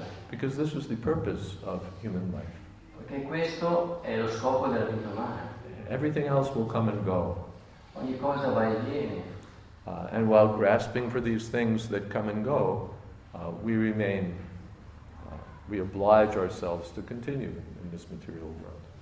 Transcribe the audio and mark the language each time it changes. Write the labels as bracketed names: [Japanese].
[English] Because this is the purpose of human life. [Italian] Perché questo è lo scopo della vita umana. [English] Everything else will come and go. [Italian] Ogni cosa va e viene. [English] And while grasping for these things that come and go, we remain, we oblige ourselves to continue in this material world.